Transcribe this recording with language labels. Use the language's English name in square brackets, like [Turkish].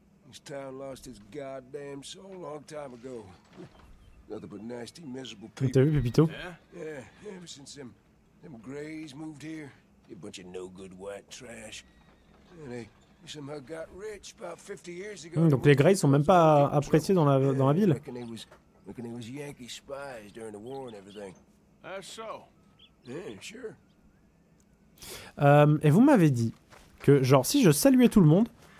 [English] This town lost its goddamn soul a long time ago. Nothing but nasty, miserable people. [French] T'as vu, Pepito? [English] Yeah, ever since them Greys moved here, a bunch of no good white trash. And they somehow got rich about 50 years ago. [French] Donc les Greys sont même pas appréciés dans la ville. [English] Reckon they was Yankee spies during the war and everything. That's so. Yeah, sure. [French] Et vous m'avez dit que genre si je saluais tout le monde.